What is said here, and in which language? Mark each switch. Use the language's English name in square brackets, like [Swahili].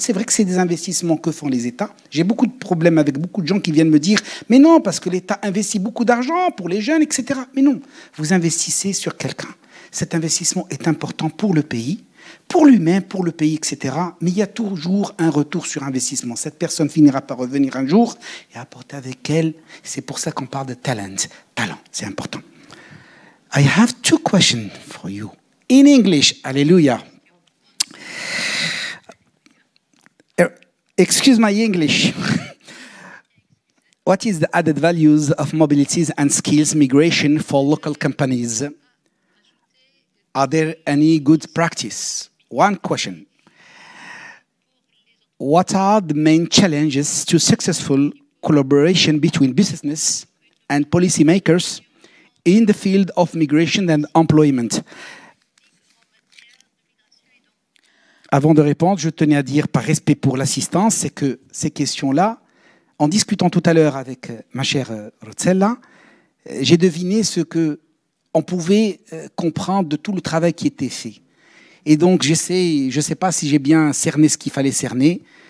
[French] C'est vrai que c'est des investissements que font les États. J'ai beaucoup de problèmes avec beaucoup de gens qui viennent me dire « Mais non, parce que l'État investit beaucoup d'argent pour les jeunes, etc. » Mais non, vous investissez sur quelqu'un. Cet investissement est important pour le pays, pour lui-même, pour le pays, etc. Mais il y a toujours un retour sur investissement. Cette personne finira par revenir un jour et apporter avec elle. C'est pour ça qu'on parle de talent. Talent, c'est important. [English] I have two questions for you in English. Hallelujah. Excuse my English. What is the added values of mobilities and skills migration for local companies? Are there any good practice? One question. What are the main challenges to successful collaboration between business and policymakers in the field of migration and employment? [French] Avant de répondre, je tenais à dire, par respect pour l'assistance, c'est que ces questions-là, en discutant tout à l'heure avec ma chère Rotsella, j'ai deviné ce que on pouvait comprendre de tout le travail qui était fait. Et donc, je ne sais pas si j'ai bien cerné ce qu'il fallait cerner.